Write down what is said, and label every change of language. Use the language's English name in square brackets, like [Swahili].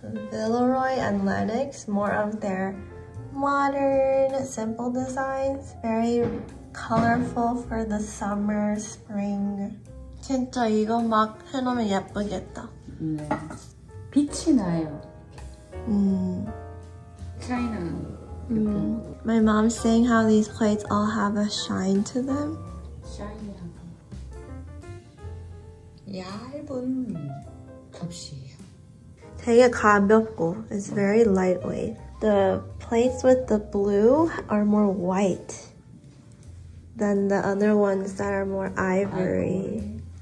[English] 빌로이 and Lennox, more of their modern, simple designs. Very colorful for the summer, spring. [Korean] 진짜 이거 막 해놓으면 예쁘겠다. 네. 빛이 나요. 차이나. [English] 마이 맘 saying how these plates all have a shine to them. [Korean] 샤이니하고 얇은 접시예요. 되게 가볍고, [English] it's very lightweight. The plates with the blue are more white than the other ones that are more ivory.